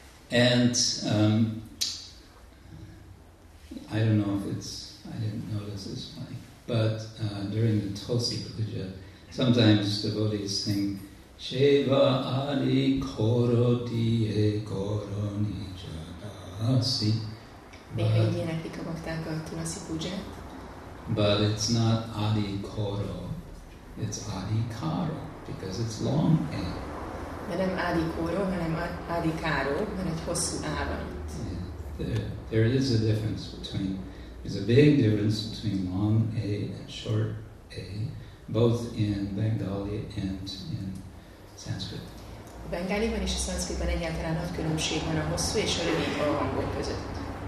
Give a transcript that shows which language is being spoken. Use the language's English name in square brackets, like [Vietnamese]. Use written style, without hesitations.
[English] And I don't know if it's, I didn't notice this one, but during the Tulsi Puja, sometimes devotees sing, [Bangla] Shiva Adi Koro Diye Koro Nija Dasi, [Hungarian] Néha így éneklik a bakták a tulasi pujját. [English] But it's not Adi Koro, it's Adi Karo, because it's long A. [Hungarian] De nem Adi Koro, hanem Adi Karo, mert egy hosszú A van. [English] There is a difference between, there's a big difference between long A and short A, both in Bengali and in Sanskrit. [Hungarian] A Bengáliban és a Sanskritban egyáltalán nagy különbség van a hosszú és a rövid A hangok között.